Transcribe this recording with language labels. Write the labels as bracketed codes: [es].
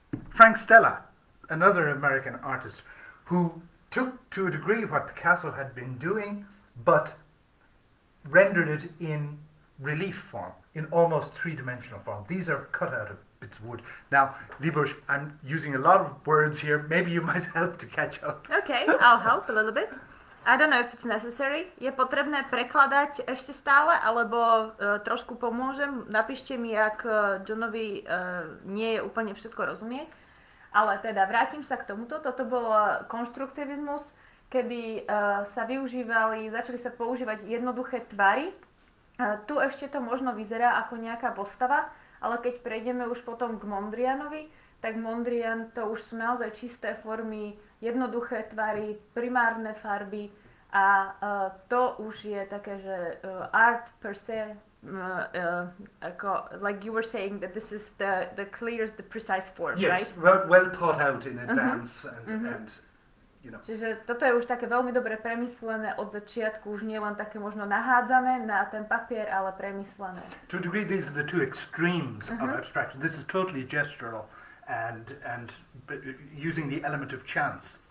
[en] Frank Stella, another American artist, who took to a degree what Picasso had been doing, but rendered it in relief form, in almost three-dimensional form. These are cut out of bits of wood. Now, Libosh, I'm using a lot of words here. Maybe you might help to catch up. Okay, I'll help a little bit. I don't know if it's necessary. [sk] Je potrebné prekladať ešte stále, alebo trošku pomôžem? Napíšte mi, ak Johnovi nie je úplne všetko rozumieť. Ale teda, vrátim sa k tomuto. Toto bol konstruktivizmus, kedy začali sa používať jednoduché tvary. Tu ešte to možno vyzerá ako nejaká postava, ale keď prejdeme už potom k Mondrianovi, tak Mondrian to už sú naozaj čisté formy, jednoduché tvary, primárne farby a to už je také, že art per se, ako, [en] like you were saying that this is the clearest, the precise form, yes, right? Yes, well thought out in advance, mm-hmm. And you know. [sk] Čiže toto je už také veľmi dobre premyslené od začiatku, už nie len také možno nahádzané na ten papier, ale premyslené. [en] To a degree, these are the two extremes uh-huh. of abstraction. This is totally gestural and using the element of chance.